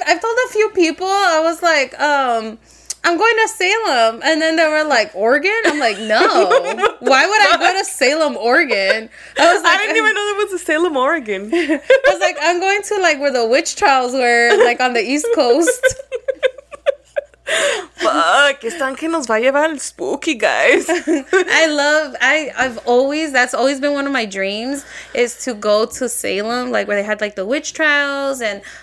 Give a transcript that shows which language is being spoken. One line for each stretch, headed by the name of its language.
English: I've told a few people, I was like, I'm going to Salem. And then they were like, Oregon? I'm like, no. Why would I go to Salem, Oregon? I was like, I didn't even know there was a Salem, Oregon. I was like, I'm going to like where the witch trials were, like on the East Coast.
Spanish: Fuck, esta que nos va a llevar el spooky, guys.
English: That's always been one of my dreams, is to go to Salem, like where they had like the witch trials and